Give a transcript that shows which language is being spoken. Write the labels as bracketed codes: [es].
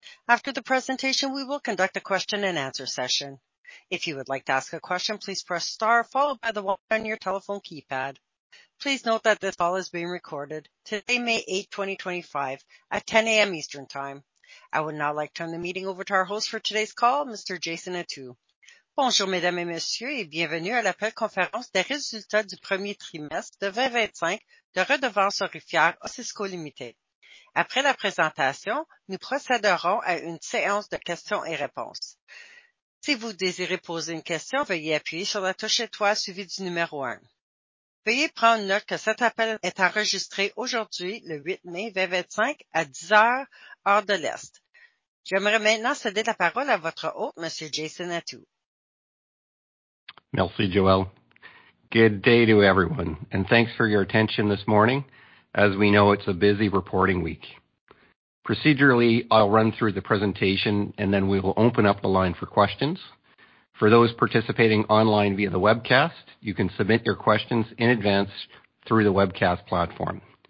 [en] After the presentation, we will conduct a question-and-answer session. If you would like to ask a question, please press star followed by the one on your telephone keypad. Please note that this call is being recorded today, May 8, 2025, at 10:00 A.M. Eastern Time. I would now like to turn the meeting over to our host for today's call, Mr. Jason Attew. [fr] Bonjour, mesdames et messieurs, et bienvenue à l'appel conférence des résultats du premier trimestre 2025 de Redevances Aurifières Osisko Ltd. Après la présentation, nous procéderons à une séance de questions et réponses. Si vous désirez poser une question, veuillez appuyer sur la touche étoile suivie du numéro 1. Veuillez prendre note que cet appel est enregistré aujourd'hui, le 8 mai 2025, à 10:00 A.M., heure de l'Est. J'aimerais maintenant céder la parole à votre hôte, Monsieur Jason Attew. Merci, Joelle. [en] Good day to everyone, and thanks for your attention this morning. As we know, it's a busy reporting week. Procedurally, I'll run through the presentation, and then we will open up the line for questions. For those participating online via the webcast, you can submit your questions in advance through the webcast platform.